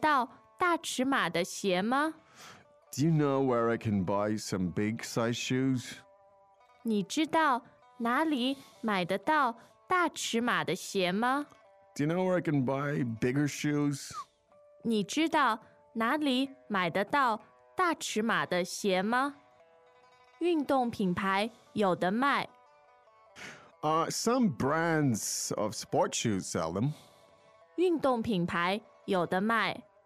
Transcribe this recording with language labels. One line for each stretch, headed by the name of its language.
English: Do you know where I can buy some big size shoes?
Chinese: 你知道哪里买得到大尺码的鞋吗?
English: Do you know where I can buy bigger shoes?
Chinese: 你知道哪里买得到大尺码的鞋吗? 运动品牌有的卖.
English: Some brands of sports shoes sell them.
Chinese: 运动品牌有的卖.